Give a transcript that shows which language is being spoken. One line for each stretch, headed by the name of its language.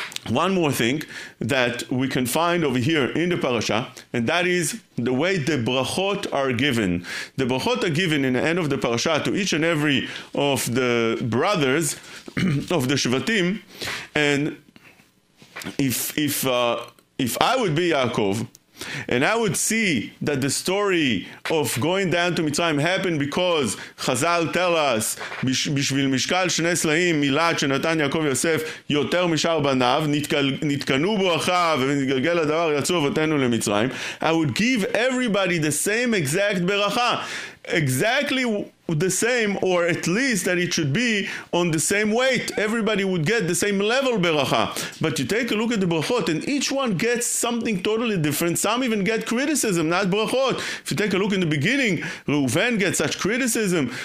English: One more thing that we can find over here in the parasha, and that is the way the brachot are given. The brachot are given in the end of the parasha to each and every of the brothers of the Shvatim. And if I would be Yaakov, And I would see that the story of going down to Mitzrayim happened because Chazal tell us,
Hebrew: בשביל משקל שני סלעים, מילת שנתן יעקב יוסף יותר משאר בניו, נתקנו בו אחיו, ונתגלגל הדבר, יצאו אבותינו למצרים.
English: I would give everybody the same exact ברכה. Exactly the same, or at least that it should be on the same weight. Everybody would get the same level beracha. But you take a look at the brachot, and each one gets something totally different. Some even get criticism, not brachot. If you take a look in the beginning, Reuven gets such criticism.